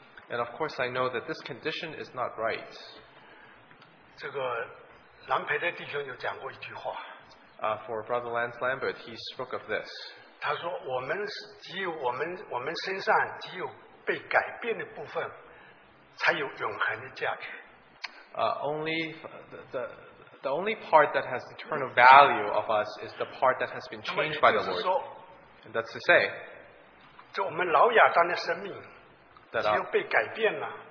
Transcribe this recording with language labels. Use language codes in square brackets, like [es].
[en] and of course, I know that this condition is not right. [zh] 这个南培的弟兄有讲过一句话, [en] for Brother Lance Lambert, he spoke of this. [zh] 他说我们只有我们身上只有被改变的部分, [en] Only the part that has eternal value of us is the part that has been changed by the Lord. And that's to say, [zh] 就我们老亚当的生命, [en] that, [zh] 只有被改变了,